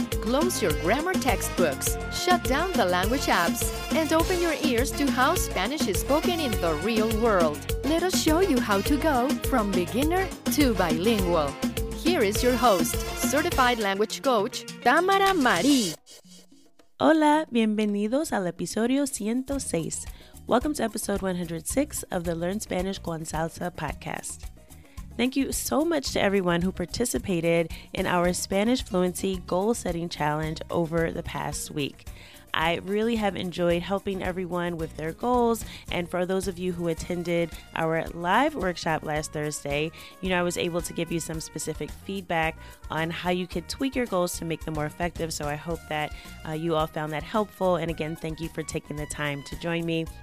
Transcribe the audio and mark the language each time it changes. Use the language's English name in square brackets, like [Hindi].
[English] Close your grammar textbooks, shut down the language apps, and open your ears to how Spanish is spoken in the real world. Let us show you how to go from beginner to bilingual. Here is your host, certified language coach, Tamara Marie. [Spanish] Hola, bienvenidos al episodio 106. [English] Welcome to episode 106 of the Learn Spanish con Salsa podcast. Thank you so much to everyone who participated in our Spanish Fluency Goal Setting Challenge over the past week. I really have enjoyed helping everyone with their goals, and for those of you who attended our live workshop last Thursday, you know, I was able to give you some specific feedback on how you could tweak your goals to make them more effective, so I hope that you all found that helpful, and again, thank you for taking the time to join me.